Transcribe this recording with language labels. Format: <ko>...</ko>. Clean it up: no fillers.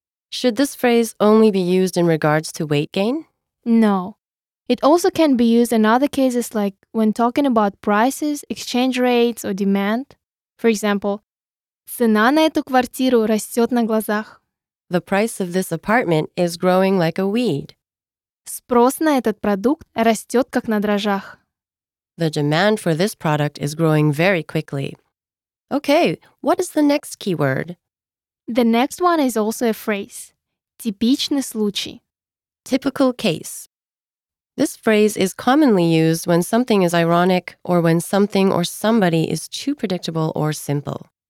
<en>Should this phrase only be used in regards to weight gain? No. It also can be used in other cases like when talking about prices, exchange rates, or demand. For example,</en> <ru>цена на эту квартиру растет на глазах.</ru> <en>The price of this apartment is growing like a weed.</en> <ru>Спрос на этот продукт растет как на дрожжах.</ru> <en>The demand for this product is growing very quickly. Okay, what is the next keyword? The next one is also a phrase.</en> <ru>Типичный случай.</ru> <en>Typical case. This phrase is commonly used when something is ironic or when something or somebody is too predictable or simple.</en>